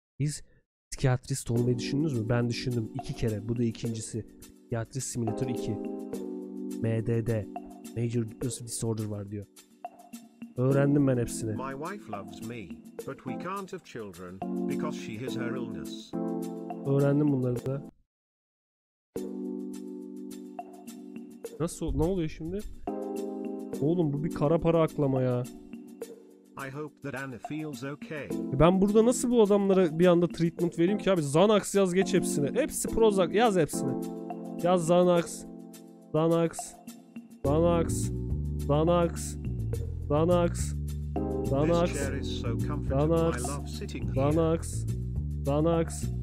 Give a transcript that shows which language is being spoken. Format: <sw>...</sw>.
<tr>Biz psikiyatrist olmayı düşündünüz mü? Ben düşündüm iki kere. Bu da ikincisi. Psikiyatrist simülatör 2. MDD. Major Depressive Disorder var diyor. Öğrendim ben hepsini.</tr> <en>My wife loves me, but we can't have children because she has her illness.</en> <tr>Öğrendim bunları da. Nasıl? Ne oluyor şimdi? Oğlum bu bir kara para aklama ya.</tr> <en>I hope that Anna feels okay.</en> <tr>Ben burada nasıl bu adamlara bir anda treatment vereyim ki abi? Xanax yaz geç hepsine. Hepsi Prozac yaz hepsine. Yaz Xanax. Xanax. Xanax. Xanax. Xanax. Xanax. Xanax. Xanax. Xanax.</tr>